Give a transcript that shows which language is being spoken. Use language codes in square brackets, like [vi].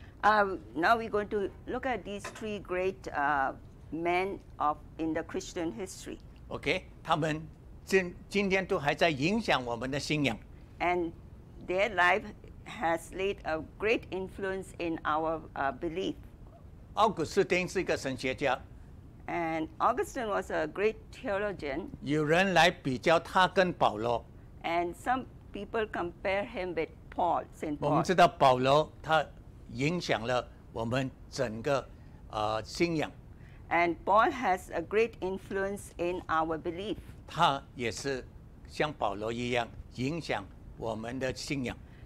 [en] Now we're going to look at these three great men in the Christian history. [zh] Okay, 他们今天都还在影响我们的信仰。 [en] And their life has laid a great influence in our belief. [zh] 奥古斯丁是一个神学家。 [en] And Augustine was a great theologian. [zh] 有人来比较他跟保罗。 [en] And some people compare him with Paul, St. Paul. [zh] 我们知道保罗他影响了我们整个信仰。 [en] And Paul has a great influence in our belief. [zh] 他也是像保罗一样影响我们的信仰。